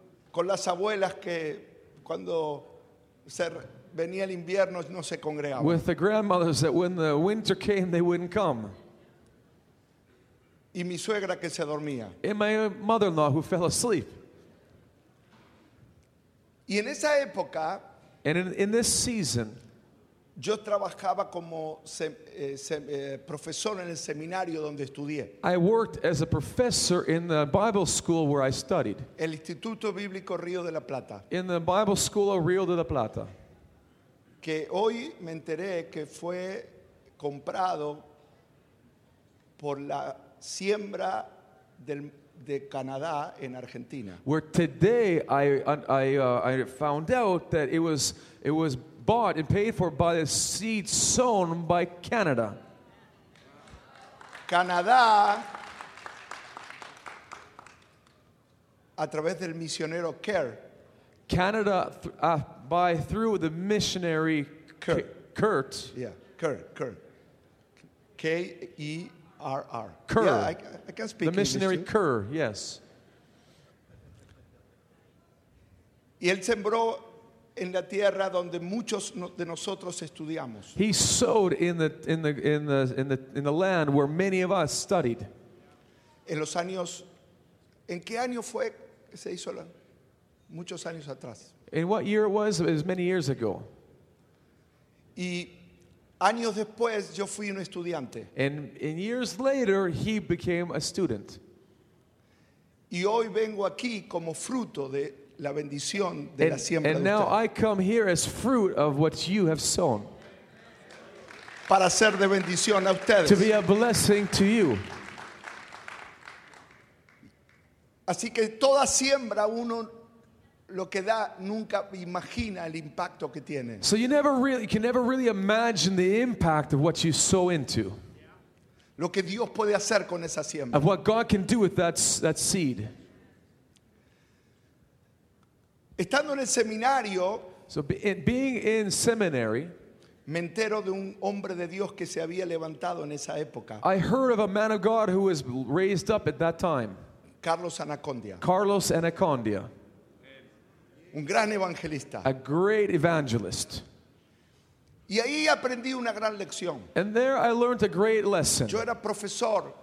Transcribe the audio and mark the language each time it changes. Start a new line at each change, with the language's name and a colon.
Spanish: Con las abuelas que cuando venía el invierno no se congregaban.
English: With the grandmothers that when the winter came they wouldn't come.
Spanish: Y mi suegra que se dormía.
English: And my mother-in-law who fell asleep.
Spanish: Y en esa época.
English: And in this season.
Spanish: Yo trabajaba como profesor en el seminario donde estudié.
English: I worked as a professor in the Bible school where I studied.
Spanish: El Instituto Bíblico Río de la Plata.
English: In the Bible School of Rio de la Plata.
Spanish: Que hoy me enteré que fue comprado por la siembra de Canadá en Argentina.
English: Where today I found out that it was bought and paid for by the seed sown by Canada.
Spanish: Canadá, a través del misionero Kerr.
English: Canada through the missionary Kurt. Yeah, Kerr. K-E-R-R. Kerr. Yeah, I can speak the missionary English Kerr, yes.
Spanish: Y él sembró en la tierra donde muchos de nosotros estudiamos.
English: He sowed in the land where many of us studied.
Spanish: En los años, ¿en qué año fue que se hizo la, muchos años atrás?
English: In what year it was many years ago.
Spanish: Y años después yo fui un estudiante.
English: And years later he became a student.
Spanish: Y hoy vengo aquí como fruto de la bendición de la siembra.
English: And now I come here as fruit of what you have sown.
Spanish: Para ser de bendición a ustedes.
English: To be a blessing to you.
Spanish: Así que toda siembra uno lo que da nunca imagina el impacto que tiene.
English: So you can never really imagine the impact of what you sow into.
Spanish: Lo que Dios puede hacer con esa siembra.
English: Of what God can do with that seed.
Spanish: Estando en el seminario,
English: so being in seminary,
Spanish: me entero de un hombre de Dios que se había levantado en esa época.
English: I heard of a man of God who was raised up at that time.
Spanish: Carlos Anacondia. Un gran evangelista.
English: A great evangelist.
Spanish: Y ahí aprendí una gran lección.
English: And there I learned a great lesson.
Spanish: Yo era profesor.